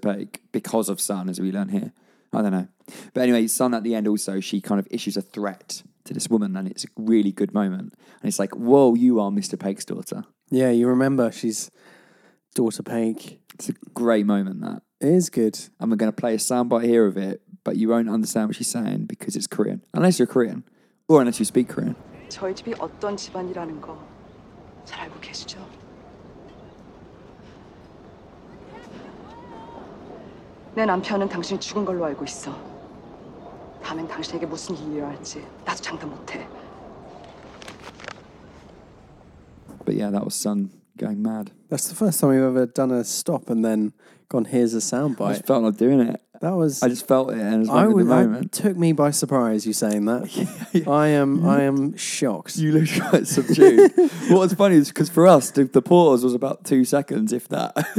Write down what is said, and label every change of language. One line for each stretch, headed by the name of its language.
English: Paik because of Sun, as we learn here. I don't know. But anyway, Sun at the end also, she kind of issues a threat to this woman, and it's a really good moment. And it's like, whoa, you are Mr. Paik's daughter. Yeah, you remember, she's daughter Paik. It's a great moment, that. It is good. And we're going to play a soundbite here of it, but you won't understand what she's saying because it's Korean. Unless you're Korean. Or unless you speak Korean.
Korean: 저희 집이 어떤 집안이라는 거 잘 알고 계시죠? 내 남편은 당신이 죽은 걸로 알고 있어. 다음엔 당신에게 무슨 일이 일어날지 나도 장담 못해.
English: But yeah, that was Sun going mad. That's the first time we've ever done a stop and then gone, here's a soundbite. I just felt like doing it. That was... I just felt it, and it was like the moment. It took me by surprise, you saying that. I am shocked. You look quite subdued. What's funny is, because for us, the pause was about 2 seconds, if that.